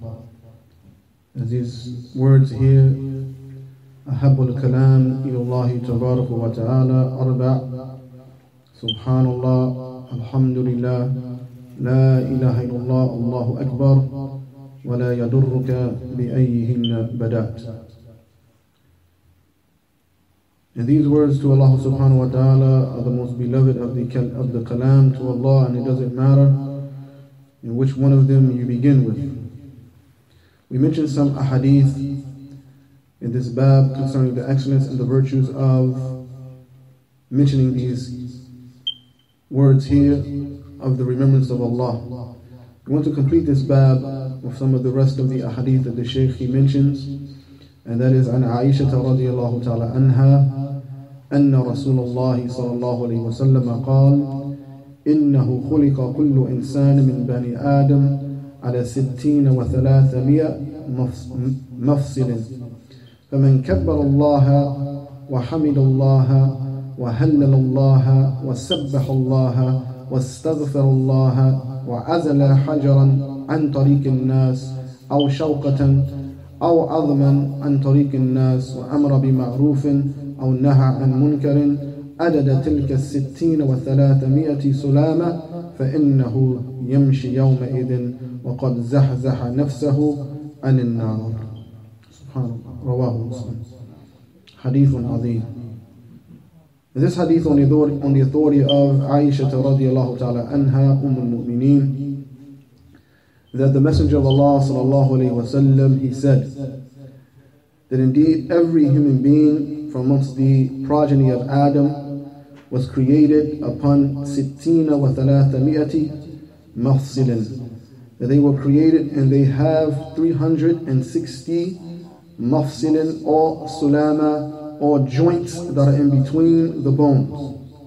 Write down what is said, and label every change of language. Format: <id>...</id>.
<en>And these words here,</en> <ar>أحب الكلام إلى الله تبارك وتعالى أربع، سبحان الله، الحمد لله، لا إله إلا الله، الله أكبر، ولا يضرك بأيهن بدأت.</ar> <en>And these words to Allah subhanahu wa ta'ala are the most beloved of the kalam to Allah, and it doesn't matter in which one of them you begin with. We mentioned some ahadith in this bab concerning the excellence and the virtues of mentioning these words here of the remembrance of Allah. We want to complete this bab with some of the rest of the ahadith that the Shaykh he mentions, and that is an Aisha radiallahu ta'ala anha.</en> <ar>أن رسول الله صلى الله عليه وسلم قال إنه خلق كل إنسان من بني آدم على 60 و300 مفصل فمن كبر الله وحمد الله وهلل الله وسبح الله واستغفر الله وعزل حجرا عن طريق الناس أو شوقة أو عظما عن طريق الناس وأمر بمعروف أو نهى عن منكر عدد تلك 60 و300 سلامة فإنه يمشي يومئذ وقد زحزح نفسه عن النار. سبحان الله. رواه مسلم. حديث عظيم.</ar> <en>This hadith on the authority of Aisha</en> <ar>رضي الله تعالى عنها أم المؤمنين</ar> <en>that the messenger of Allah</en> <ar>صلى الله عليه وسلم</ar> <en>he said that indeed every human being from amongst the progeny of Adam was created upon 60 و300 mafsilin, that they were created and they have 360 mafsilin or sulama or joints that are in between the bones.</en>